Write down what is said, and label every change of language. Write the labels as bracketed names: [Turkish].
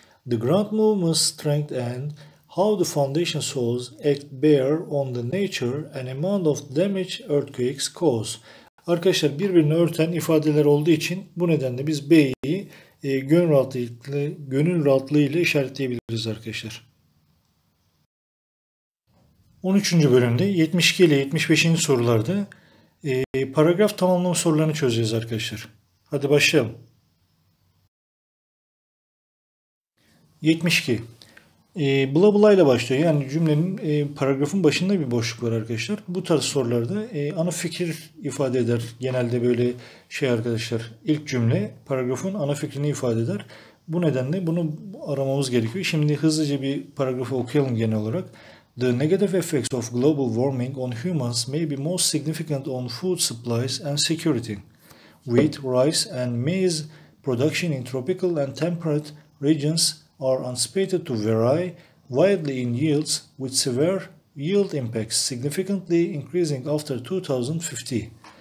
[English] The ground movement strength and how the foundation soils act bear on the nature and amount of damage earthquakes cause. [Turkish] Arkadaşlar birbirini örten ifadeler olduğu için bu nedenle biz B'yi gönül rahatlığıyla işaretleyebiliriz arkadaşlar. 13. bölümde 72 ile 75. sorularda paragraf tamamlama sorularını çözeceğiz arkadaşlar. Hadi başlayalım. 72. Bla bla ile başlıyor. Yani cümlenin paragrafın başında bir boşluk var arkadaşlar. Bu tarz sorularda ana fikir ifade eder. Genelde böyle şey arkadaşlar ilk cümle paragrafın ana fikrini ifade eder. Bu nedenle bunu aramamız gerekiyor. Şimdi hızlıca bir paragrafı okuyalım genel olarak. [English] The negative effects of global warming on humans may be most significant on food supplies and security. Wheat, rice and maize production in tropical and temperate regions are anticipated to vary widely in yields with severe yield impacts significantly increasing after 2050.